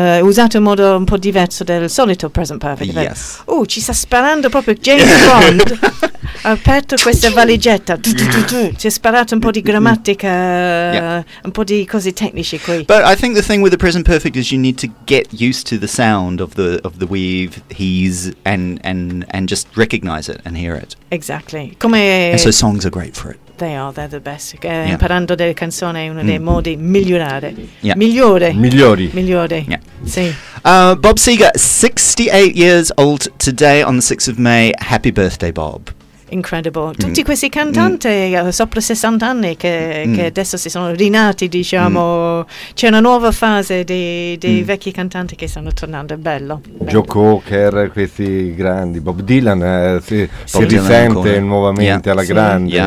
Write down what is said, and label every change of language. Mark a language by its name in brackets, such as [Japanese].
[Italian] Usato in modo un po' diverso del solito present perfect. [English] Yes. [Italian] Oh, ci sta sparando proprio James Bond. Ha aperto questa valigetta. Ci è sparato un po' di grammatica, un po' di cose tecniche qui. [English] But I think the thing with the present perfect is you need to get used to the sound of the we've, he's, and just recognize it and hear it. Exactly. Come. And so songs are great for it. They are, they're the best. [Italian] Imparando delle canzoni è uno dei modi migliorare. [English] Yeah. [Italian] Migliore. Migliori. Migliore. [English] Yeah. [Italian] Sì. [English] Bob Seger, 68 years old today on the 6th of May. Happy birthday, Bob. Incredible. [Italian] Tutti questi cantanti sopra 60 anni che adesso si sono rinati, diciamo. C'è una nuova fase di vecchi cantanti che stanno tornando. Bello. Joe Cocker, questi grandi. Bob Dylan si risente nuovamente alla grande.